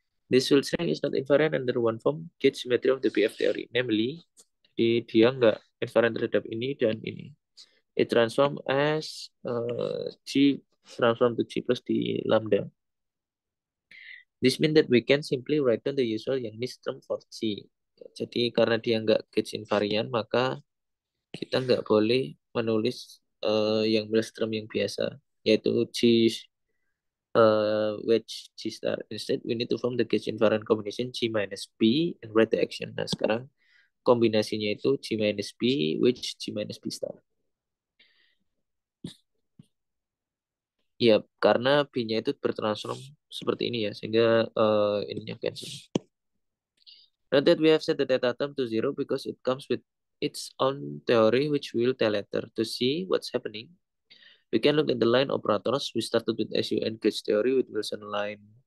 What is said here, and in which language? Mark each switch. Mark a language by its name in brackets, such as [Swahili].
[English] This field string is not invariant under one form gauge symmetry of the BF theory, namely, [Indonesian] dia nggak invariant terhadap ini dan ini. [English] It transform as G transform to G plus D lambda. This means that we can simply write down the usual Young-Mills term for G. [Indonesian] Jadi karena dia nggak gauge invariant, maka kita nggak boleh menulis Young-Mills term yang biasa, yaitu G wedge G star. [English] Instead, we need to form the gauge invariant combination G minus B and write the action. [Indonesian] Nah, sekarang kombinasinya itu G minus B wedge G minus B star. Ya, karena B-nya itu bertransform seperti ini ya, sehingga ininya cancel. [English] Note that we have set the theta term to zero because it comes with its own theory, which we will tell later. To see what's happening, we can look at the line operators. We started with Sun gauge theory with Wilson line.